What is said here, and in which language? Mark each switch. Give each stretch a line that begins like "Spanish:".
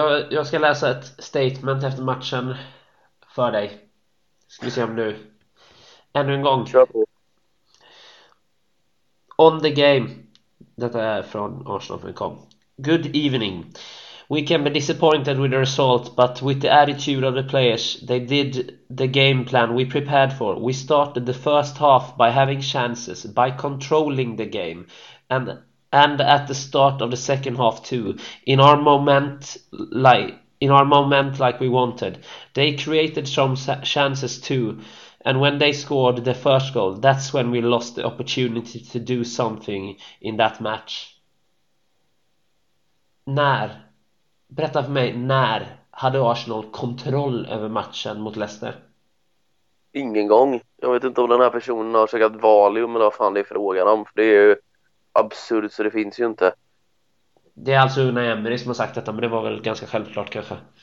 Swedish: Jag ska läsa ett statement efter matchen för dig. Ska vi se om du ännu en gång. Kör på.
English: On the game.
Swedish: Detta är från Arsenal.com.
English: Good evening. We can be disappointed with the result, but with the attitude of the players, they did the game plan we prepared for. We started the first half by having chances, by controlling the game, and at the start of the second half too. In our moment like we wanted, they created some chances too. And when they scored the first goal, that's when we lost the opportunity to do something in that match.
Swedish: När? Berätta för mig, när hade Arsenal kontroll över matchen mot Leicester? Ingen gång. Jag vet inte om den här personen har käkat Valium eller vad fan det är frågan om. För det är ju absurt så det finns ju inte. Det är alltså Unai Emery som har sagt detta, men det var väl ganska självklart kanske.